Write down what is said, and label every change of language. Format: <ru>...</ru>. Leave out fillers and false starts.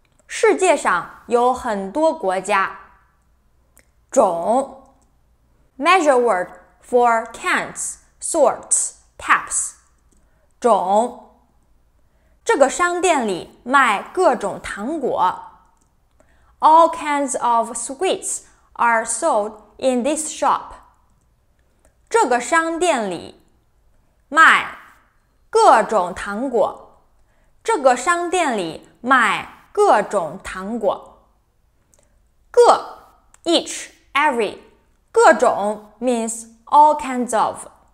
<zh>世界上有很多国家。种</zh> <en>measure word for cans. Sorts, types, 种。</en> <zh>这个商店里卖各种糖果。</zh> <en>All kinds of sweets are sold in this shop.</en> <zh>这个商店里卖各种糖果。这个商店里卖各种糖果。</zh> <en>各 each, every, 各种 means all kinds of.</en>